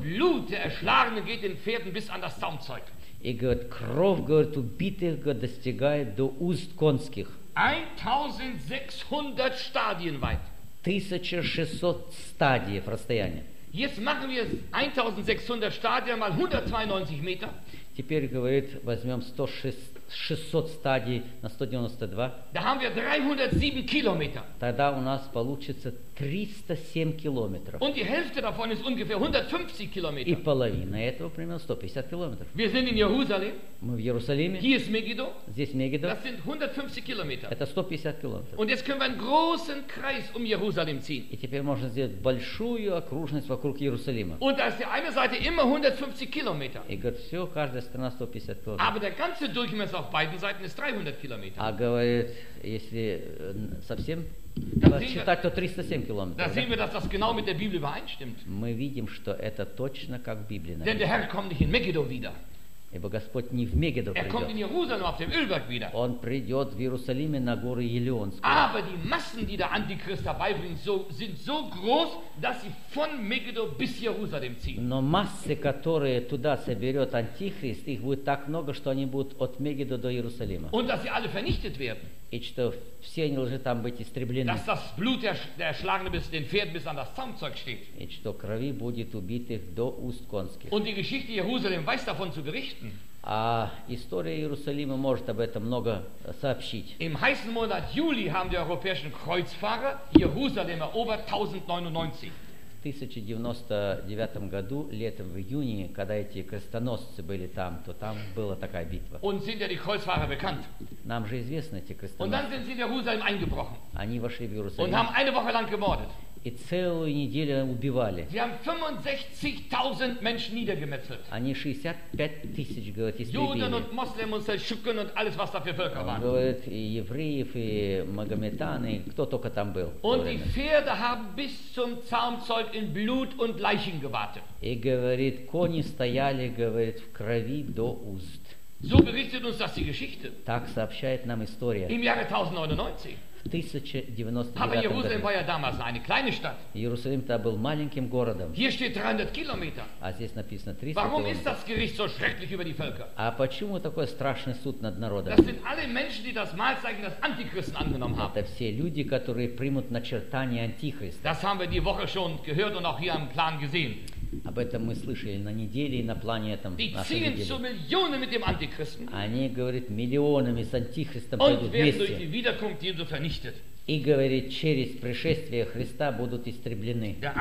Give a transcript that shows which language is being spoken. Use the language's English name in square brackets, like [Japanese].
[German] Blut der Erschlagenen geht den Pferden bis an das Zaumzeug. [Russian] И говорит, кровь, говорит, убитых, говорит, достигает до уст конских. [German] 1600 Stadien weit. [Russian] 1600 стадий в расстоянии. [German] Jetzt machen wir 1600 Stadien mal 192 Meter. [Russian] Теперь, говорит, возьмем 600 стадий на 192. [German] Da haben wir 307 Kilometer. [Russian] Тогда у нас получится 307 километров. [German] Und die Hälfte davon ist ungefähr 150 Kilometer. [Russian] И половина этого примерно 150 километров. [German] Wir sind in Jerusalem. [Russian] Мы в Иерусалиме. [German] Hier ist Megiddo. [Russian] Здесь Мегидо. [German] Das sind 150 Kilometer. [Russian] Это 150 километров. [German] Und jetzt können wir einen großen Kreis Jerusalem ziehen. [Russian] И теперь можно сделать большую окружность вокруг Иерусалима. [German] Und da ist die eine Seite immer 150 Kilometer. [Russian] И говорит, все, каждая сторона 150 километров. [German] Aber der ganze Durchmesser auf beiden Seiten ist 300 Kilometer. [Russian] А говорит, если совсем da считать, то 307 километров. [German] Da sehen wir, dass das genau mit der Bibel übereinstimmt. [Russian] Мы видим, что это точно как в Библии написано. [German] Denn der Herr kommt nicht in Megiddo wieder. [Russian] Ибо Господь не в Мегидо придет. [German] Er kommt in Jerusalem auf dem Ölberg wieder. [Russian] Он придет в Иерусалиме на горы Елеонские. [German] Aber die Massen, die der Antichrist dabei bringt, sind so groß, dass sie von Megiddo bis Jerusalem ziehen. [Russian] Но массы, которые туда соберет Антихрист, их будет так много, что они будут от Мегиддо до Иерусалима. [German] Und dass sie alle vernichtet werden. [Russian] И что все они должны там быть истреблены. [German] Dass das Blut der Erschlagenen bis den Pferden bis an das Zaumzeug steht. [Russian] И что крови будет убитых до уст конских. [German] Und die Geschichte Jerusalem weiß davon zu berichten. [Russian] А история Иерусалима может об этом много сообщить. [German] Im heißen Monat Juli haben die europäischen Kreuzfahrer Jerusalem erobert 1099. [Russian] В 1099 году, летом в июне, когда эти крестоносцы были там, то там была такая битва. [German] Und sind ja die Kreuzfahrer bekannt. [Russian] Нам же известны эти крестоносцы. [German] Und dann sind sie in Jerusalem eingebrochen. [Russian] Они вошли в Иерусалим. [German] Und haben eine Woche lang gemordet. [Russian] И целую неделю убивали. [German] Sie haben 65.000 Menschen niedergemetzelt. [Russian] Они 65 тысяч, говорит, истребили. [German] Juden und Muslim und Seljuken und alles, was da für Völker waren. [Russian] Говорит, и евреев, и магометаны, кто только там был. [German] Und die Pferde haben bis zum Zaumzeug in Blut und Leichen gewartet. [Russian] И говорит, кони стояли, говорит, в крови до уст. [German] So berichtet uns das die Geschichte. [Russian] Так сообщает нам история. [German] Im Jahre 1099. Aber Jerusalem war ja damals eine kleine Stadt. [Russian] Иерусалим тогда был маленьким городом. [German] Hier steht 300 Kilometer. [Russian] А здесь написано 300 [German] Warum [Russian] километров. [German] Ist das Gericht so schrecklich über die Völker? [Russian] А почему такой страшный суд над народом? [German] Das sind alle Menschen, die das Malzeichen des Antichristen angenommen haben. [Russian] Это все люди, которые примут начертание Антихриста. [German] Das haben wir die Woche schon gehört und auch hier im Plan gesehen. [Russian] Об этом мы слышали на неделе и на плане этом. Они, говорит, миллионами с Антихристом пойдут вместе. И, говорит, через пришествие Христа будут истреблены.